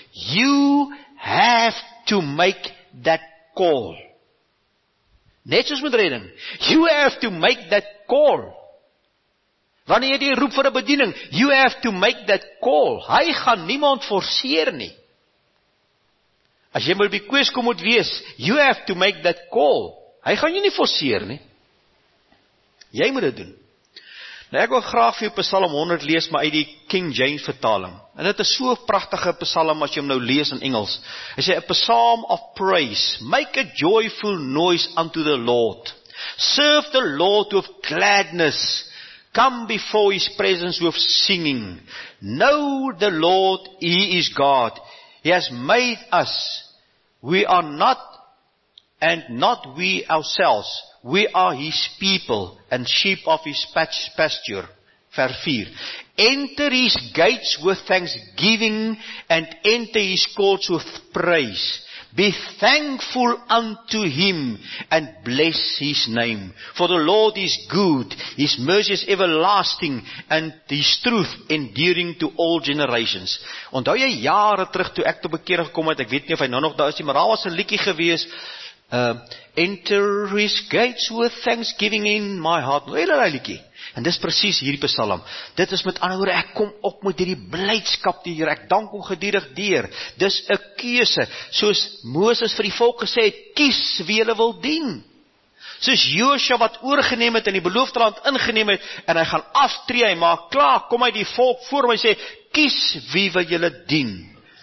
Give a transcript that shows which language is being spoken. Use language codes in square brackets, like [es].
[en] You have to make that call. [af] Net soos met redding. [en] You have to make that call. [af] Wanneer jy die roep vir 'n bediening, [en] you have to make that call. [af] Hy gaan niemand forceer nie. As jy wil by kwes kom moet wees, [en] you have to make that call. [af] Hy gaan jy nie forceer nie. Jy moet dit doen. Nou ek wil graag vir jou Psalm 100 lees, maar uit die King James vertaling. En dit is so 'n pragtige psalm as jy hom nou lees in Engels. Hy sê, [en] a psalm of praise, make a joyful noise unto the Lord. Serve the Lord with gladness. Come before his presence with singing. Know the Lord, he is God. He has made us. We are not, and not we ourselves. We are his people, and sheep of his pasture. [af] vers 4. [en] Enter his gates with thanksgiving and enter his courts with praise. Be thankful unto him and bless his name. For the Lord is good, his mercy is everlasting and his truth enduring to all generations. [af] Onthou jy jare terug toe ek tot bekeer gekom het, ek weet nie of hy nou nog daar is nie, maar daar was 'n liedjie gewees. [en] Enter his gates with thanksgiving in my heart. [af] En dis precies hierdie psalm. Dit is met ander woorde, ek kom op met hierdie blydskap die Here. Ek dank hom gedurig deur. Dis 'n keuse. Soos Moses vir die volk gesê het, kies wie hulle wil dien. Soos Joshua wat oorgeneem het en die beloofde land ingeneem het, en hy gaan aftree, hy maak klaar, kom hy die volk voor hom en sê, kies wie wil julle dien.